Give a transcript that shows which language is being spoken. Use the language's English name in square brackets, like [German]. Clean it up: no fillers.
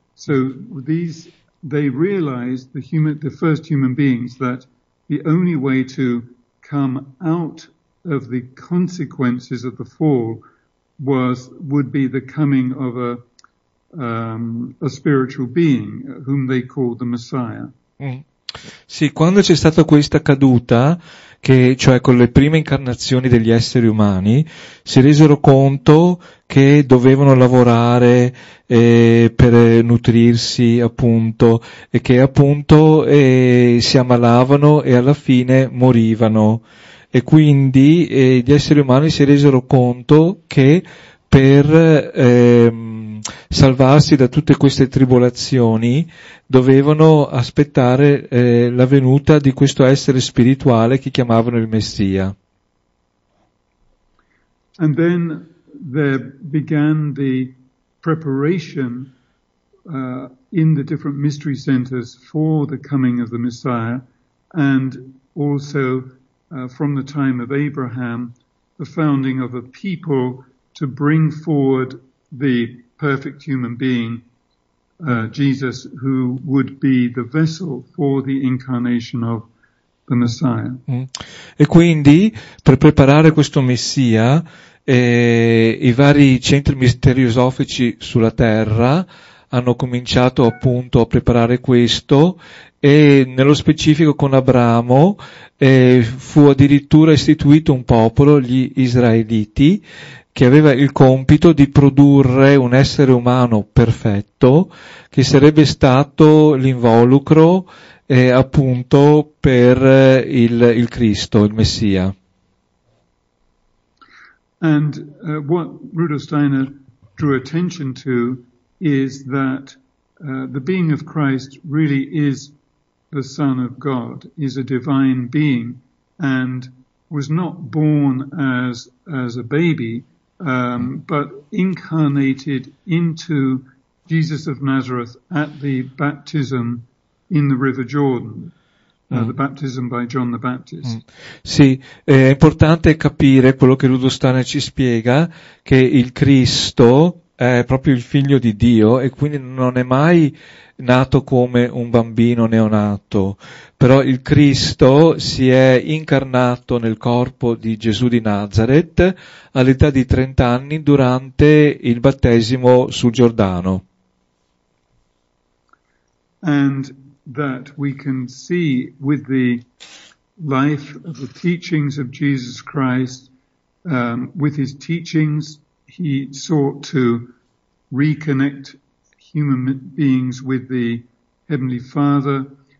[English] So these, they realized, the first human beings, that the only way to come out of the consequences of the fall would be the coming of a spiritual being whom they call the Messiah. [Italian] Sì, quando c'è stata questa caduta, cioè con le prime incarnazioni degli esseri umani, si resero conto che dovevano lavorare per nutrirsi, appunto, e che appunto si ammalavano e alla fine morivano. E quindi gli esseri umani si resero conto che per salvarsi da tutte queste tribolazioni dovevano aspettare la venuta di questo essere spirituale che chiamavano il Messia. [English] And then there began the preparation in the different mystery centers for the coming of the Messiah, and also from the time of Abraham, the founding of a people to bring forward the perfect human being, Jesus, who would be the vessel for the incarnation of the Messiah. [Italian] E quindi, per preparare questo Messia, i vari centri misteriosofici sulla Terra hanno cominciato appunto a preparare questo, e nello specifico con Abramo fu addirittura istituito un popolo, gli Israeliti, che aveva il compito di produrre un essere umano perfetto che sarebbe stato l'involucro appunto per il Cristo, il Messia. [English] And what Rudolf Steiner drew attention to is that the being of Christ really is the Son of God, is a divine being, and was not born as a baby, but incarnated into Jesus of Nazareth at the baptism in the River Jordan. The baptism by John the Baptist. [Italian] Sì, è importante capire quello che Rudolf Steiner ci spiega, che il Cristo è proprio il figlio di Dio e quindi non è mai nato come un bambino neonato. Però il Cristo si è incarnato nel corpo di Gesù di Nazareth all'età di 30 anni durante il battesimo sul Giordano. [English] And that we can see with the life of the teachings of Jesus Christ, with his teachings, he sought to reconnect human beings with the Heavenly Father.